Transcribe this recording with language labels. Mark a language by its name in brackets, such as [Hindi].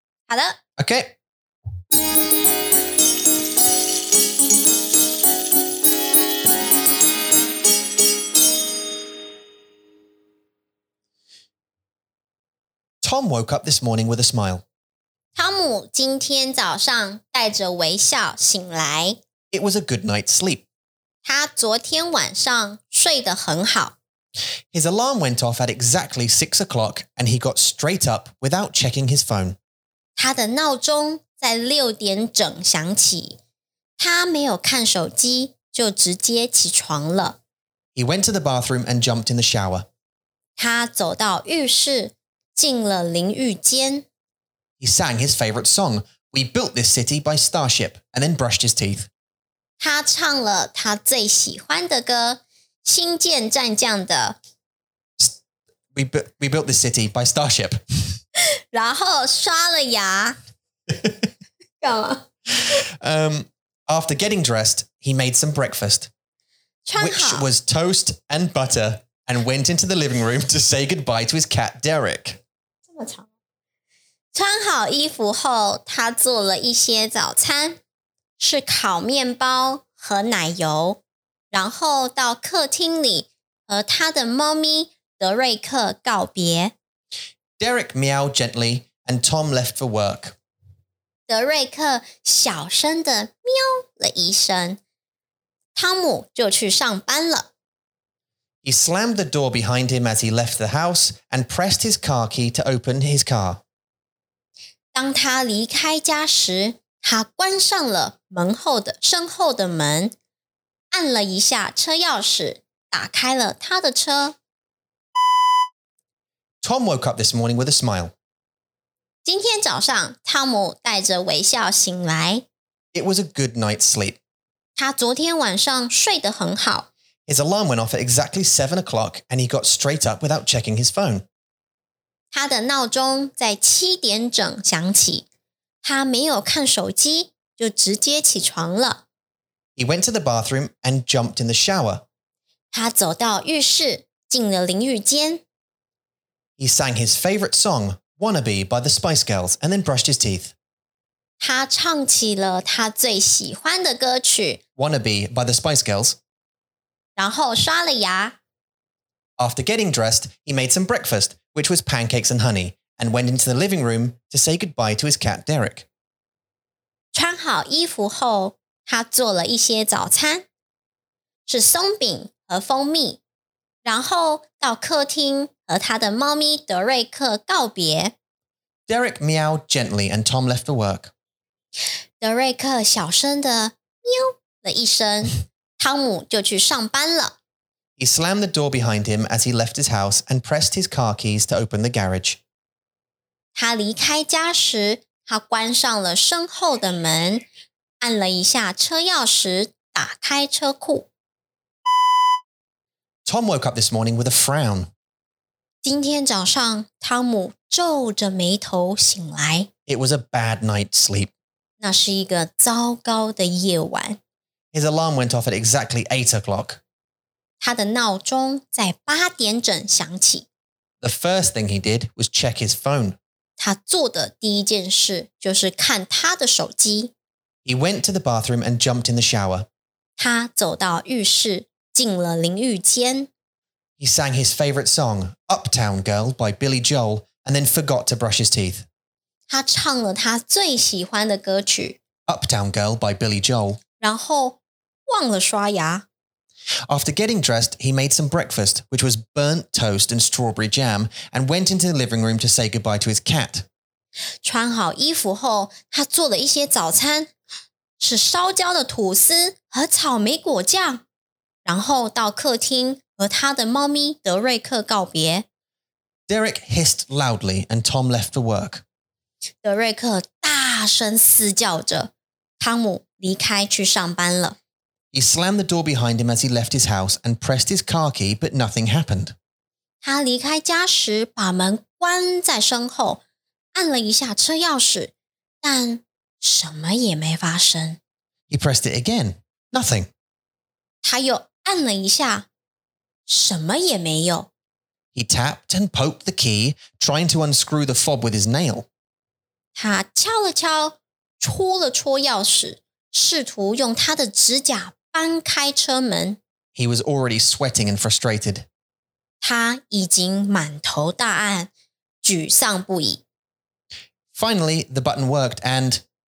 [English] Hello. Okay. 'Tom woke up this morning with a smile. [Chinese] 汤姆今天早上带着微笑醒来。 [English] It was a good night's sleep. [Chinese] 他昨天晚上睡得很好。 [English] His alarm went off at exactly 6 o'clock and he got straight up without checking his phone. [Chinese] 他的闹钟在六点整响起。他没有看手机就直接起床了。 [English] He went to the bathroom and jumped in the shower. [Chinese] 他走到浴室进了淋浴间。 [English] He sang his favorite song, We Built This City by Starship, and then brushed his teeth. [Chinese] 他唱了他最喜欢的歌新建战将的 [English] We Built This City by Starship. [Chinese] 然后刷了牙。干嘛？ [English] After getting dressed, he made some breakfast, which was toast and butter, and went into the living room to say goodbye to his cat, Derek. [Chinese] 穿好衣服后，他做了一些早餐，是烤面包和奶油，然后到客厅里和他的猫咪德瑞克告别。 [English] Derek meowed gently, and Tom left for work. [Chinese] 德瑞克小声地喵了一声，汤姆就去上班了。 [English] He slammed the door behind him as he left the house and pressed his car key to open his car. [Chinese] 当他离开家时，他关上了身后的门，按了一下车钥匙，打开了他的车。 [English] Tom woke up this morning with a smile. [Chinese] 今天早上，汤姆带着微笑醒来。 [English] It was a good night's sleep. [Chinese] 他昨天晚上睡得很好。 [English] His alarm went off at exactly 7 o'clock and he got straight up without checking his phone. [Chinese] 他的闹钟在七点整响起。他没有看手机就直接起床了。 [English] He went to the bathroom and jumped in the shower. [Chinese] 他走到浴室进了淋浴间。 [English] He sang his favorite song, Wannabe by the Spice Girls, and then brushed his teeth. [Chinese] 他唱起了他最喜欢的歌曲 [English] Wannabe by the Spice Girls. [Chinese] 然后刷了牙。 [English] After getting dressed, he made some breakfast, which was pancakes and honey, and went into the living room to say goodbye to his cat, Derek. [Chinese] 穿好衣服后，他做了一些早餐，是松饼和蜂蜜，然后到客厅和他的猫咪德瑞克告别。 [English] Derek meowed gently and Tom left for work. [Chinese] 德瑞克小声地喵了一声。汤姆就去上班了。 [English] He slammed the door behind him as he left his house and pressed his car keys to open the garage. [Chinese] 他离开家时，他关上了身后的门，按了一下车钥匙，打开车库。 [English] Tom woke up this morning with a frown. [Chinese] 今天早上，汤姆皱着眉头醒来。 [English] It was a bad night's sleep. [Chinese] 那是一个糟糕的夜晚。 [English] His alarm went off at exactly 8 o'clock. [Chinese] 他的闹钟在八点整响起。 [English] The first thing he did was check his phone. [Chinese] 他做的第一件事就是看他的手机。 [English] He went to the bathroom and jumped in the shower. [Chinese] 他走到浴室进了淋浴间。 [English] He sang his favorite song, Uptown Girl by Billy Joel, and then forgot to brush his teeth. [Chinese] 他唱了他最喜欢的歌曲。 [English] Uptown Girl by Billy Joel. [Chinese] 然后忘了刷牙。 [English] After getting dressed, he made some breakfast, which was burnt toast and strawberry jam, and went into the living room to say goodbye to his cat. [Chinese] 穿好衣服后，他做了一些早餐，是烧焦的吐司和草莓果酱，然后到客厅和他的猫咪德瑞克告别。 [English] Derek hissed loudly, and Tom left for work. [Chinese] 德瑞克大声嘶叫着，汤姆离开去上班了。 [English] He slammed the door behind him as he left his house and pressed his car key, but nothing happened. [Chinese] 他离开家时把门关在身后，按了一下车钥匙，但什么也没发生。 [English] He pressed it again, nothing. [Chinese] 他又按了一下，什么也没有。 [English] He tapped and poked the key, trying to unscrew the fob with his nail. [Chinese] 他敲了敲，戳了戳钥匙。试图用他的指甲搬开车门。 [English] He was already sweating and frustrated. [Chinese] 他已经满头大汗，沮丧不已。 [English] Finally, the button worked and...